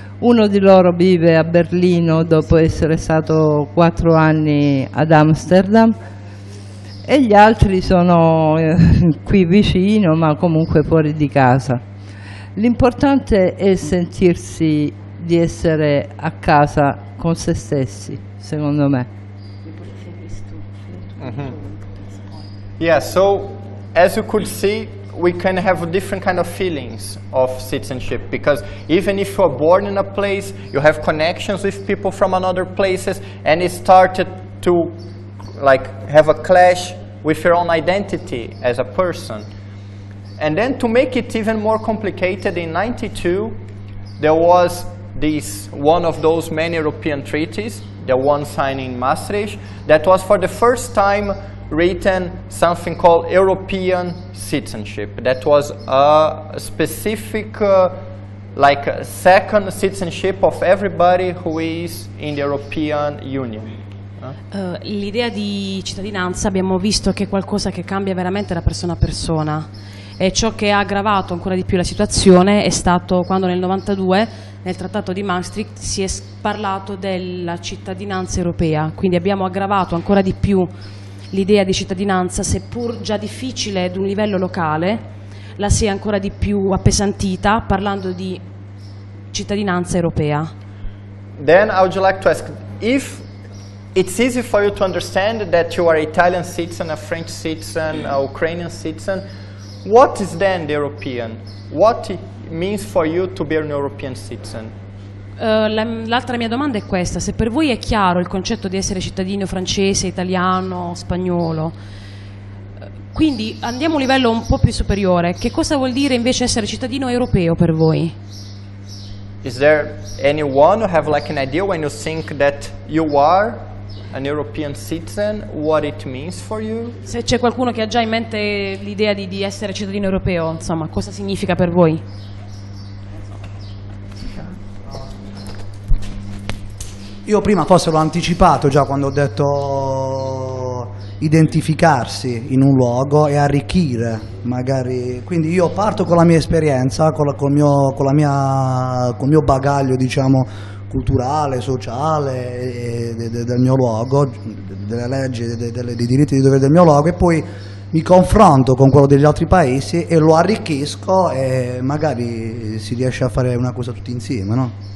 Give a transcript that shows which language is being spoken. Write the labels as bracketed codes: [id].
[it] Uno di loro vive a Berlino dopo essere stato 4 anni ad Amsterdam, e gli altri sono qui vicino, ma comunque fuori di casa. L'importante è sentirsi di essere a casa con se stessi, secondo me. Mm-hmm. [en] Yeah, so as you could see, we can have different kind of feelings of citizenship, because even if you are born in a place, you have connections with people from another places, and it started to like have a clash with your own identity as a person. And then to make it even more complicated, in 92 there was this one of those many European treaties, the one signed in Maastricht, that was for the first time written something called European citizenship. That was a specific like a second citizenship of everybody who is in the European Union. [it] L'idea di cittadinanza, abbiamo visto che è qualcosa che cambia veramente da persona a persona, e ciò che ha aggravato ancora di più la situazione è stato quando nel 92 nel trattato di Maastricht si è parlato della cittadinanza europea. Quindi abbiamo aggravato ancora di più l'idea di cittadinanza, seppur già difficile ad un livello locale, la si è ancora di più appesantita parlando di cittadinanza europea. [en] Then I would like to ask, if it's easy for you to understand that you are Italian citizen, a French citizen, a Ukrainian citizen, what is then the European? What means for you to be an European citizen? [it] L'altra mia domanda è questa: se per voi è chiaro il concetto di essere cittadino francese, italiano, spagnolo, quindi andiamo a un livello un po' più superiore, che cosa vuol dire invece essere cittadino europeo per voi? [en] Is there anyone who have like an idea when you think that you are an European citizen, what it means for you? [it] Se c'è qualcuno che ha già in mente l'idea di essere cittadino europeo, insomma, cosa significa per voi? Io prima forse l'ho anticipato già quando ho detto identificarsi in un luogo e arricchire magari, quindi io parto con la mia esperienza, con il mio bagaglio, diciamo, culturale, sociale, del mio luogo, delle leggi, dei diritti e dei doveri del mio luogo, e poi mi confronto con quello degli altri paesi e lo arricchisco, e magari si riesce a fare una cosa tutti insieme, no?